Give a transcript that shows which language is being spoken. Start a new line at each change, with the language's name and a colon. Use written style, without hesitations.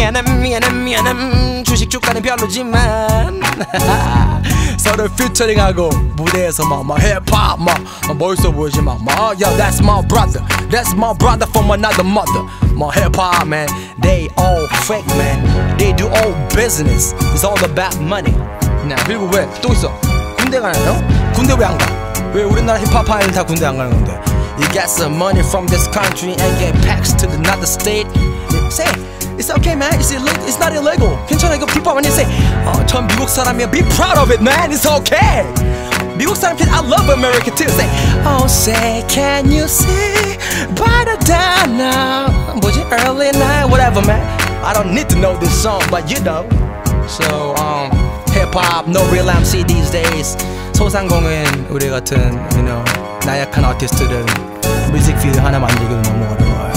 Korean: NM 주식 주가는 별로지만 서로 퓨처링하고 무대에서 막 힙합 막 멋있어 보이지 막
English: Yeah that's my brother. That's my brother from another mother. My hip-hop man, they all fake man. They do all business. It's all about money.
Korean: 네, 그리고 왜 또 있어? 군대 가나요? 군대 왜 안 가? 왜 우리나라 힙합 하는 다 군대 안 가는 건데?
English: You get some money from this country and get packs to another state. Say, it's okay man. It's not illegal.
Korean: 괜찮아 이거 불법 아니야.
English: Say,
Korean: 전 미국 사람이야.
English: Be proud of it man. It's okay.
Korean: 미국 사람
English: kid, I love America too. Say, oh say, can you see by the dawn now? Was it early night? Whatever, man. I don't need to know this song, but you know. So, hip hop, no real MC these days.
Korean: 소상공인 우리 같은,
English: you know,
Korean: 나약한 아티스트들 뮤직 비디오 하나 만들기도 너무 어려워.